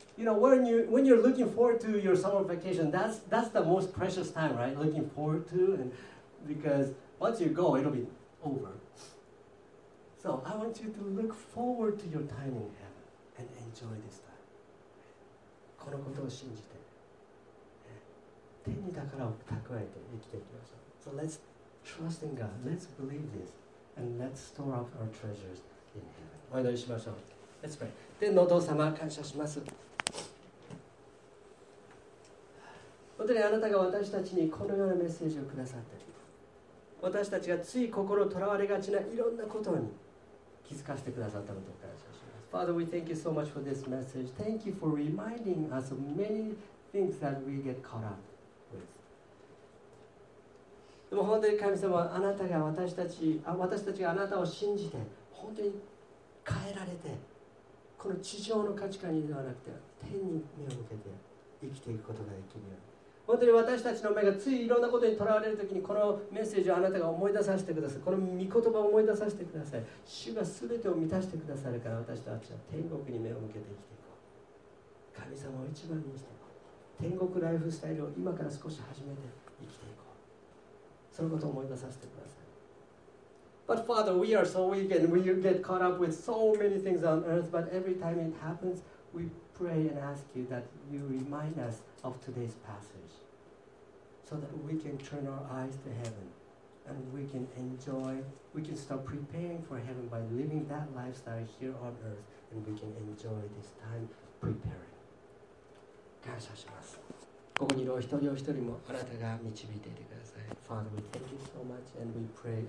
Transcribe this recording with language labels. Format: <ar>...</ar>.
<en>You know, when you're looking forward to your summer vacation, that's the most precious time, right? Looking forward to, and because once you go, it'll be over. So I want you to look forward to your time in heaven and enjoy this time.</en> <ja>このことを信じて。天に宝を蓄えて生きていきましょう。</ja> <en>So let's trust in God. Let's believe this. And let's store up our treasures in heaven.</en> <ja>お祈りしましょう。</ja> <en>Let's pray.</en> <ja>天のお父様、感謝します。本当にあなたが私たちにこのようなメッセージをくださって、私たちがつい心をとらわれがちないろんなことに気づかせてくださったことを感謝します。</ja> <en>Father, we thank you so much for this message. Thank you for reminding us of many things that we get caught up.</en> <ja>でも本当に神様、あなたが私たちがあなたを信じて本当に変えられて、この地上の価値観にではなくて天に目を向けて生きていくことができるように、本当に私たちの目がついいろんなことにとらわれるときに、このメッセージをあなたが思い出させてください。この御言葉を思い出させてください。主がすべてを満たしてくださるから、私たちは天国に目を向けて生きていこう。神様を一番にして天国ライフスタイルを今から少し始めて生きていこう。そのことを思い出させてください。</ja> <en>But Father, we are so weak and we get caught up with so many things on earth, but every time it happens, we pray and ask you that you remind us of today's passage so that we can turn our eyes to heaven and we can enjoy, we can start preparing for heaven by living that lifestyle here on earth and we can enjoy this time preparing.</en> <ja>感謝します。ここにいるお一人お一人もあなたが導いていてください。</ja> <en>Father, we thank you so much and we pray.</en>